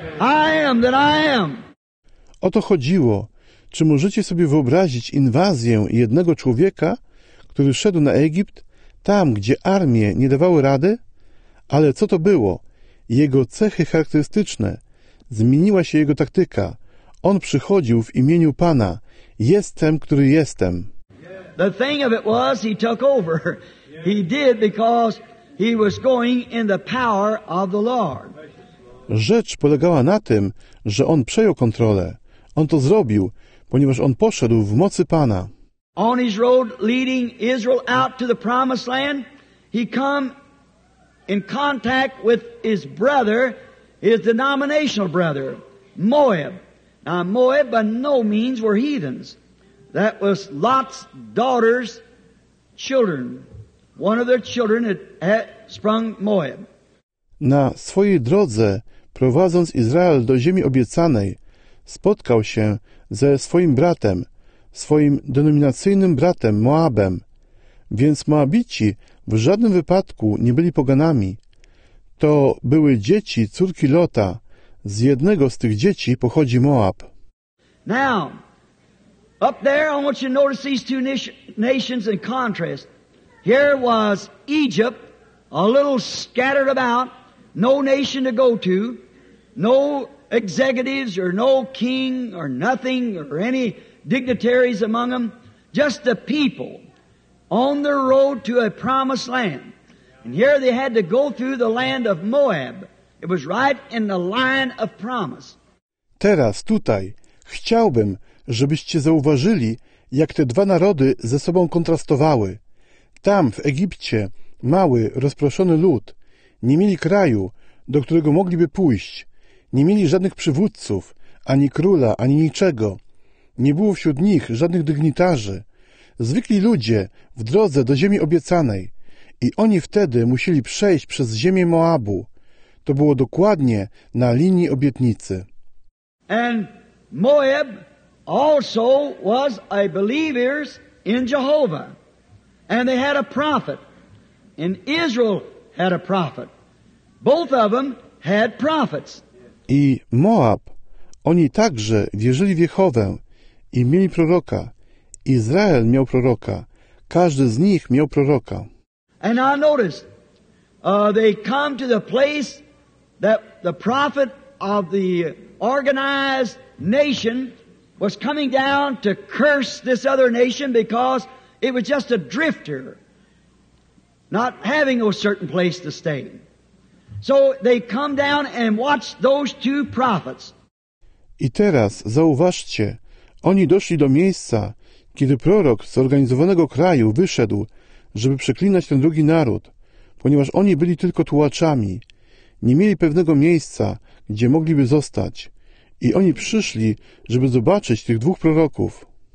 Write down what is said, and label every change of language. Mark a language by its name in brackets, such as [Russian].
[English] I am that I am. [Polish] O to chodziło. Czy możecie sobie wyobrazić inwazję jednego człowieka, który szedł na Egipt, tam, gdzie armie nie dawały rady? Ale co to było? Jego cechy charakterystyczne. Zmieniła się jego taktyka. On przychodził w imieniu Pana. Jestem, który jestem. [English] The thing of it was, he took over. He did because he was going in the power of the Lord. [Polish] Rzecz polegała na tym, że on przejął kontrolę. On to zrobił, ponieważ on poszedł w mocy Pana. [English] On his road leading Israel out to the promised land, he come in contact with his brother, his denominational brother, Moab. Now Moab by no means were heathens. That was Lot's daughter's children. One of their children had sprung Moab. [Polish] Na swojej drodze, prowadząc Izrael do ziemi obiecanej, spotkał się ze swoim bratem, swoim denominacyjnym bratem Moabem. Więc Moabici w żadnym wypadku nie byli poganami. To były dzieci, córki Lota. Z jednego z tych dzieci pochodzi Moab. [English] Now, up there, I want you to notice these two nations in contrast. Here was Egypt, a little scattered about, no nation to go to, no executives or no king or nothing or any dignitaries among them, just the people on their road to a promised land. And here they had to go through the land of Moab. It was right in the line of promise. [Polish] Teraz tutaj chciałbym, żebyście zauważyli, jak te dwa narody ze sobą kontrastowały. Tam w Egipcie mały, rozproszony lud, nie mieli kraju, do którego mogliby pójść. Nie mieli żadnych przywódców, ani króla, ani niczego. Nie było wśród nich żadnych dygnitarzy. Zwykli ludzie w drodze do ziemi obiecanej. I oni wtedy musieli przejść przez ziemię Moabu. To było dokładnie na linii obietnicy. [English] And Moab also was a believer in Jehovah. And they had a prophet. And Israel had a prophet. Both of them had prophets. [Polish] I Moab, oni także wierzyli w Jehowę i mieli proroka. Izrael miał proroka. Każdy z nich miał proroka. [English] And I noticed, they come to the place that the prophet of the organized nation was coming down to curse this other nation because it was just a drifter, not having a certain place to stay. So they come down and watch those two prophets. [Polish] I teraz zauważcie, oni doszli do miejsca, kiedy prorok zorganizowanego kraju wyszedł, żeby przeklinać ten drugi naród. ponieważ oni byli tylko tułaczami, nie mieli pewnego miejsca, gdzie mogliby zostać. I oni przyszli, żeby zobaczyć tych dwóch proroków.